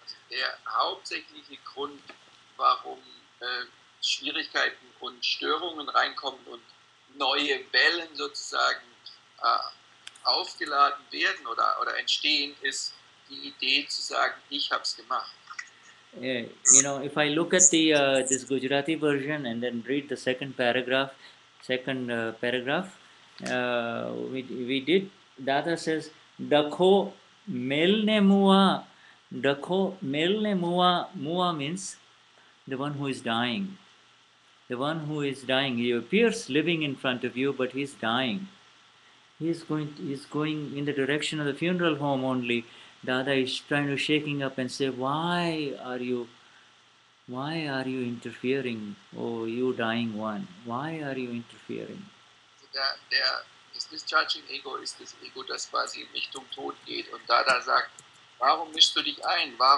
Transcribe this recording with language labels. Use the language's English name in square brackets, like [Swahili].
[German] Der hauptsächliche Grund, warum Schwierigkeiten und Störungen reinkommen und neue Wellen sozusagen aufgeladen werden oder entstehen, ist die Idee zu sagen, ich habe es gemacht. [English] Yeah, you know, if I look at the this Gujarati version and then read the second paragraph, we did. Dada says, [Gujarati] dakho melne mua [English] means the one who is dying. The one who is dying, he appears living in front of you, but he's dying. He's going in the direction of the funeral home only. Dada is trying to shake him up and say, why are you interfering? Oh, you dying one, why are you interfering? [German] Der ist discharging ego, ist das Ego, das quasi in Richtung Tod geht. Und Dada sagt, warum mischst du dich ein?